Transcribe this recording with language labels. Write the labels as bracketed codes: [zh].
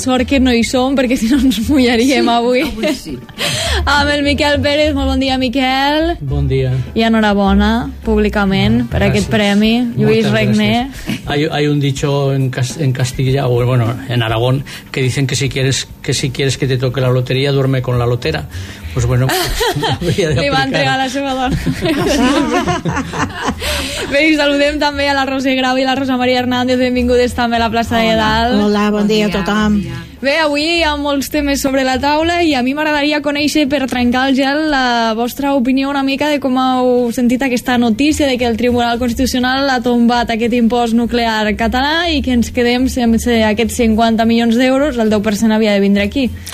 [ca] Sort que no hi som, perquè si no ens mullaríem, sí, avui. Avui sí. Amb el Miquel Pérez. Molt bon dia, Miquel. Bon dia. I enhorabona públicament per gràcies. Aquest premi, Lluís Regné. [es] Hay un dicho en Castilla, o bueno, en Aragón, que dicen que si quieres que te toque la lotería, duerme con la lotera. Pues bueno, pues, [ca] de li va entregar la seva dona. Bé, i saludem també a la Roser Grau i la Rosa Maria Hernández. Benvingudes també a la Plaça Hola. De Dalt. Hola, bon dia a tothom. Bon dia. Bé, avui hi ha molts temes sobre la taula i a mi m'agradaria conèixer, per trencar el gel, la vostra opinió una mica de com heu sentit aquesta notícia de que el Tribunal Constitucional ha tombat aquest impost nuclear català i que ens quedem sense aquests 50 milions d'euros, el 10% havia de vindre aquí.